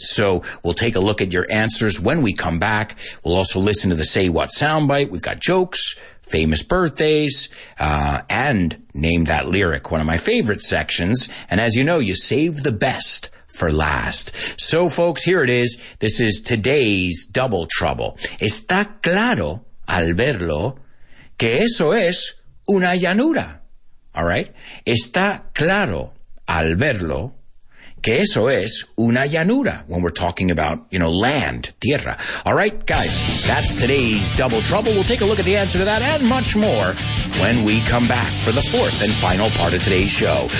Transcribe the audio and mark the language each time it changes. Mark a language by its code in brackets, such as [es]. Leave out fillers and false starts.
[en] So we'll take a look at your answers when we come back. We'll also listen to the Say What soundbite. We've got jokes, famous birthdays, and Name That Lyric, one of my favorite sections. And as you know, you save the best for last. So, folks, here it is. This is today's double trouble. [es] Está claro al verlo que eso es una llanura. [en] All right? [es] Está claro al verlo que eso es una llanura. [en] When we're talking about, you know, land, tierra. All right, guys, that's today's double trouble. We'll take a look at the answer to that and much more when we come back for the fourth and final part of today's show.